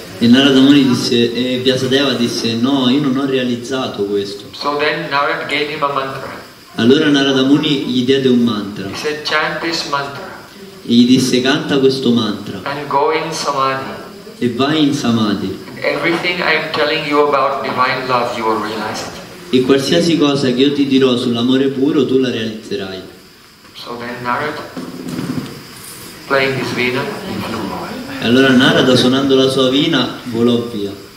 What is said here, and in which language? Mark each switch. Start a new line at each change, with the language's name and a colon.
Italian: E Narada Muni disse, e Vyasadeva disse, no, io non ho realizzato questo.
English: So then Narada gave him a mantra.
Italian: Allora Narada Muni gli diede un mantra.
English: He said, chant this mantra.
Italian: E gli disse, canta questo mantra.
English: And go in samadhi.
Italian: E vai in samadhi.
English: Everything I am telling you about divine love, you will realize it.
Italian: E qualsiasi cosa che io ti dirò sull'amore puro, tu la realizzerai.
English: So then Narada, playing his vina,
Italian: e allora Narada, suonando la sua vina, volò via.